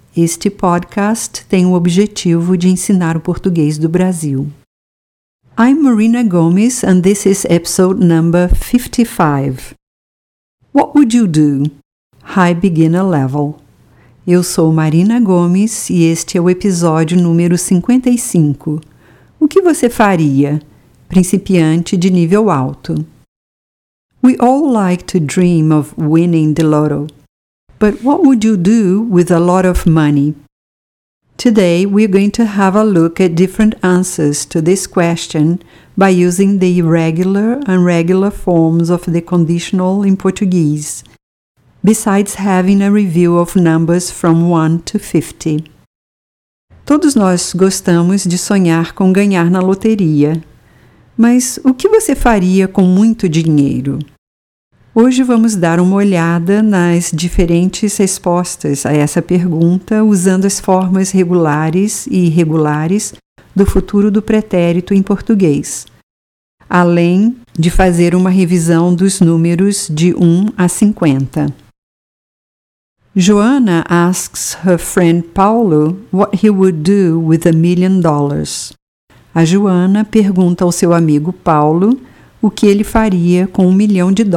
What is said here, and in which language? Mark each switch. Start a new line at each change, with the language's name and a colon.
Portuguese: Este podcast tem o objetivo de ensinar o português do Brasil.
English: I'm Marina Gomes, and this is episode number 55. What would you do? High beginner level.
Portuguese: Eu sou Marina Gomes e este é o episódio número 55. O que você faria? Principiante de nível alto.
English: We all like to dream of winning the lotto. But what would you do with a lot of money? Today we're going to have a look at different answers to this question by using the irregular and regular forms of the conditional in Portuguese, besides having a review of numbers from 1 to 50.
Portuguese: Todos nós gostamos de sonhar com ganhar na loteria. Mas o que você faria com muito dinheiro? Hoje vamos dar uma olhada nas diferentes respostas a essa pergunta usando as formas regulares e irregulares do futuro do pretérito em português, além de fazer uma revisão dos números de 1 a 50.
English: Joana asks her friend Paulo what he would do with $1 million.
Portuguese: A Joana pergunta ao seu amigo Paulo o que ele faria com $1 million.